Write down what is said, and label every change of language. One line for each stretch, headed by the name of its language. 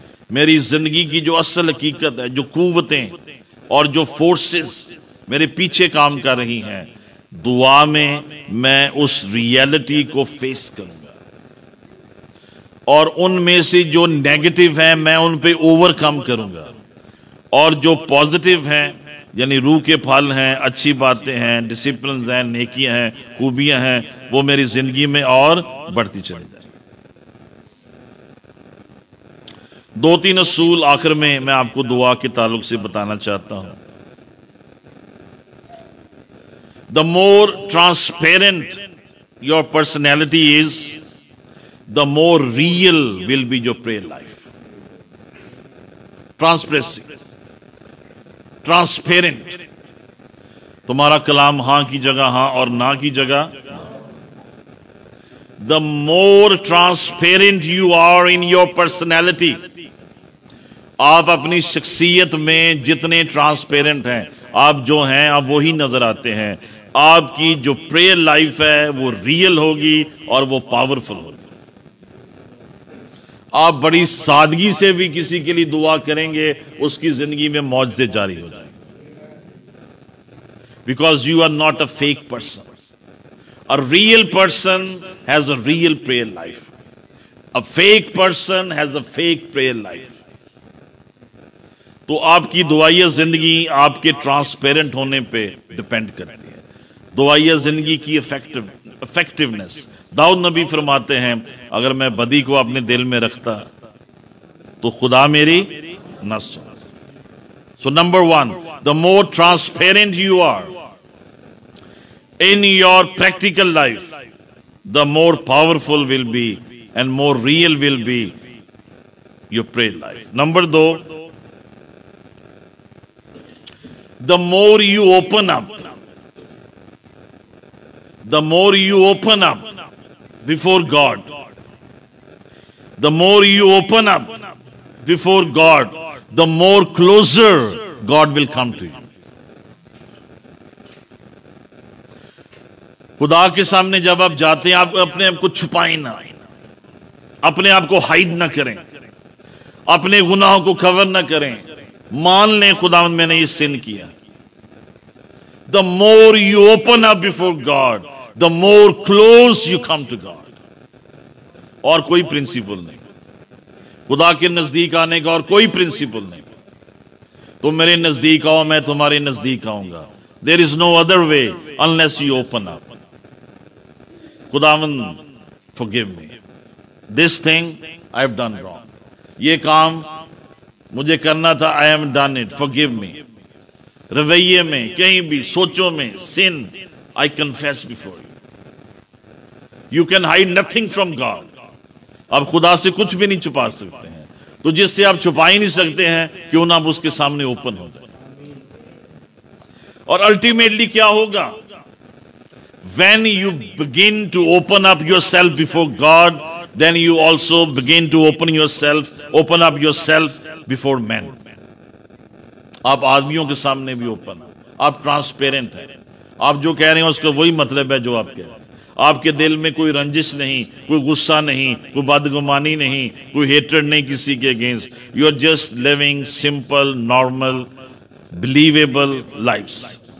Urdu: میری زندگی کی جو اصل حقیقت ہے, جو قوتیں اور جو فورسز میرے پیچھے کام کر رہی ہیں, دعا میں میں اس ریئلٹی کو فیس کروں گا, اور ان میں سے جو نیگیٹو ہیں میں ان پہ اوور کم کروں گا, اور جو پازیٹو ہیں یعنی روح کے پھل ہیں, اچھی باتیں ہیں, ڈسپلنز ہیں, نیکیاں ہیں, خوبیاں ہیں, وہ میری زندگی میں اور بڑھتی چلی جائے. دو تین اصول آخر میں میں آپ کو دعا کے تعلق سے بتانا چاہتا ہوں.
English: The more transparent your personality is, the more real will be your prayer life.
Urdu: Transparency, transparent, تمہارا کلام ہاں کی جگہ ہاں اور نہ کی جگہ. دا more transparent you are in your personality, آپ اپنی شخصیت میں جتنے ٹرانسپیرنٹ ہیں, آپ جو ہیں آپ وہی نظر آتے ہیں, آپ کی جو پریئر لائف ہے وہ ریئل ہوگی اور وہ پاورفل ہوگی. آپ بڑی سادگی سے بھی کسی کے لیے دعا کریں گے, اس کی زندگی میں معجزے جاری ہو جائیں گے.
English: Because you are not a fake person, a real person has a real prayer life, a fake person has a fake prayer life.
Urdu: تو آپ کی دعائیہ زندگی آپ کے ٹرانسپیرنٹ ہونے پہ ڈپینڈ کرتی ہے. دعائیہ زندگی کی افیکٹونیس, داؤد نبی فرماتے ہیں اگر میں بدی کو اپنے دل میں رکھتا تو خدا میری نہ سنتا.
English: So number one, the more transparent you are in your practical life, the more powerful will be and more real will be your prayer life. Number دو, the more you open up, the more you open up before God, the more you open up before God, the more closer God will come to you.
Urdu: خدا کے سامنے جب آپ جاتے ہیں, آپ اپنے آپ کو چھپائیں نہ, اپنے آپ کو ہائیڈ نہ کریں, اپنے گناہوں کو کور نہ کریں, مان لیں خداوند میں نے یہ سن کیا.
English: The more you open up before God, the more close you come to God.
Urdu: اور کوئی پرنسپل نہیں, خدا کے نزدیک آنے کا اور کوئی پرنسپل نہیں. تم میرے نزدیک آؤ, میں تمہارے نزدیک آؤں گا.
English: There is no other way unless you open up.
Urdu: خداوند
English: forgive me, this thing I have done wrong.
Urdu: یہ کام مجھے کرنا تھا,
English: I have done it, forgive me.
Urdu: رویے میں, کہیں بھی سوچوں میں, سن,
English: I confess before you. You can hide nothing from God.
Urdu: اب خدا سے کچھ بھی نہیں چھپا سکتے ہیں, تو جس سے آپ چھپا ہی نہیں سکتے ہیں کیوں نہ آپ اس کے سامنے اوپن ہو جائے. اور الٹیمیٹلی کیا ہوگا,
English: when you begin to open up yourself before God, then you also begin to open yourself, open up yourself before men.
Urdu: آپ آدمیوں کے سامنے بھی اوپن ہیں, آپ ٹرانسپیرنٹ ہیں, آپ جو کہہ رہے ہیں اس کا وہی مطلب ہے جو آپ کہہ رہے ہیں. آپ کے دل میں کوئی رنجش نہیں, کوئی غصہ نہیں, کوئی بدگمانی نہیں, کوئی ہیٹرڈ نہیں کسی کے against.
English: You are just living simple normal believable lifes.